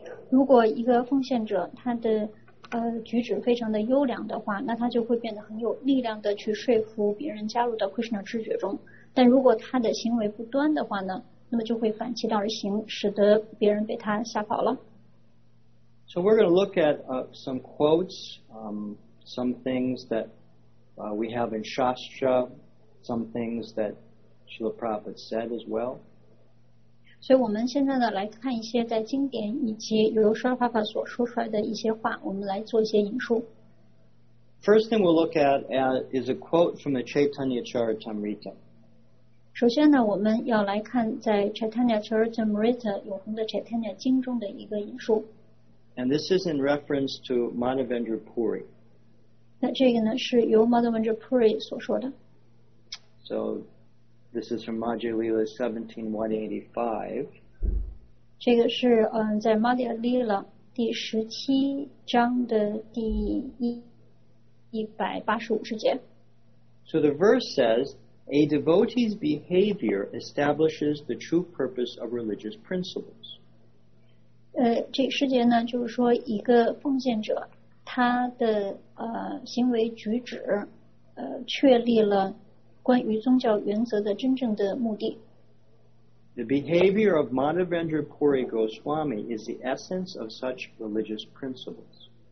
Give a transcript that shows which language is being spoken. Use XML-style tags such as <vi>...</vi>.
<zh>如果一个奉献者他的举止非常的优良的话那他就会变得很有力量的去说服别人加入到 Krishna 知觉中但如果他的行为不端的话呢那么就会反其道而行使得别人被他吓跑了</zh> <en>So we're going to look at some quotes some things that we have in Shastra some things that Srila Prabhupada said as well</en> <zh>所以我们现在呢来看一些在经典以及由 Srila Prabhupada 所说出来的一些话我们来做一些引述</zh> <en>First thing we'll look at is a quote from the Chaitanya Charitamrita.</en> <zh>首先呢，我们要来看在 Chaitanya Charitamrita 永恒的 Chaitanya 经中的一个引述。</zh> <en>And this is in reference to Madhavendra Puri.</en> <zh>那这个呢是由 Madhavendra Puri 所说的。</zh> <en>So, this is from Madhya Lila 17185.</en> <zh>这个是在 Madhya Lila 第十七章的第185节。</zh> <en>So the verse says, a devotee's behavior establishes the true purpose of religious principles.</en> <zh>这个世界呢，就是说一个奉献者，他的行为举止，确立了关于宗教原则的真正的目的。</zh> <en>The behavior of Madhavendra Puri Goswami is the essence of such religious principles.</en>